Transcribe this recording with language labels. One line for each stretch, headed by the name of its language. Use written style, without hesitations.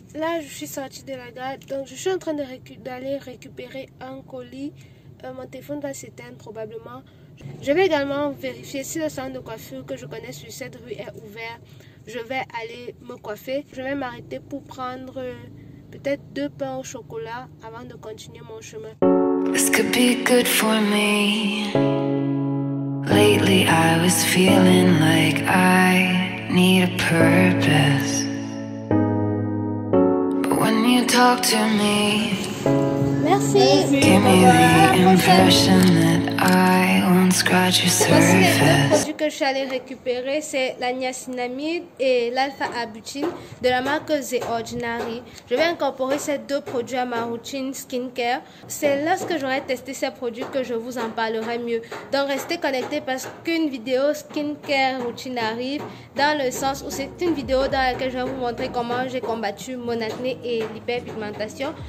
French: Là, je suis sortie de la gare. Donc, je suis en train d'aller récupérer un colis. Mon téléphone va s'éteindre probablement. Je vais également vérifier si le salon de coiffure que je connais sur cette rue est ouvert. Je vais aller me coiffer. Je vais m'arrêter pour prendre peut-être deux pains au chocolat avant de continuer mon chemin.
English: This could be good for me. Lately I was feeling like I need a purpose. But when you talk to me, merci. Give me the impression that I won't scratch your surface.
French: Que je suis allée récupérer, c'est la niacinamide et l'alpha-arbutine de la marque The Ordinary. Je vais incorporer ces deux produits à ma routine skincare. C'est lorsque j'aurai testé ces produits que je vous en parlerai mieux. Donc restez connectés parce qu'une vidéo skincare routine arrive, dans le sens où c'est une vidéo dans laquelle je vais vous montrer comment j'ai combattu mon acné et l'hyperpigmentation.